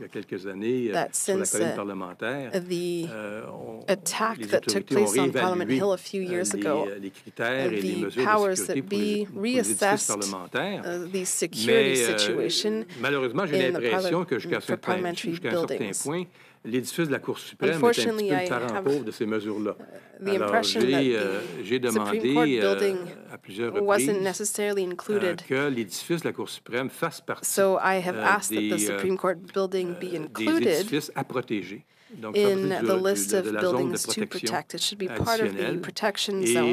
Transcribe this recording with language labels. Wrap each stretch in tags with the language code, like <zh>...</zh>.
<en>that since the attack that took place on Parliament Hill a few years ago, the powers that be reassessed the security situation in the parliamentary buildings.</en> <fr>L'édifice de la Cour suprême est un petit peu le parent pauvre de ces mesures-là. Alors, j'ai demandé à plusieurs reprises que l'édifice de la Cour suprême fasse partie des édifices à protéger. Donc,</fr> <en>in the list of buildings to protect, it should be part of the protection zone.</en>